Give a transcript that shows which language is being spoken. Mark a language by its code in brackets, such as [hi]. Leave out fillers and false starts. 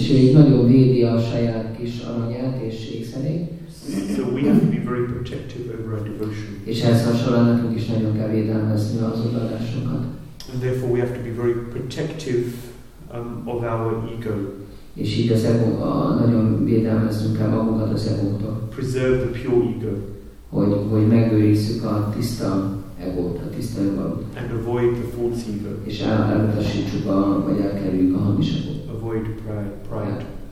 [hu] És így nagyon védi a saját kis aranyát és ékszerét. [en] So we have to be very protective over our devotion. [hu] És ehhez hasonlóan nekünk is nagyon kell védelmezni az odaadásunkat. [en] And therefore we have to be very protective of our ego. [hu] És így az ego, nagyon védelmeznünk kell magunkat az egótól. [en] Preserve the pure ego. [hu] Hogy megőrizzük a tiszta egót, a tiszta önmagot. [en] And avoid the false ego. [hu] És elutasítsuk a, vagy elkerüljük a hamis egót. [en] Avoid pride.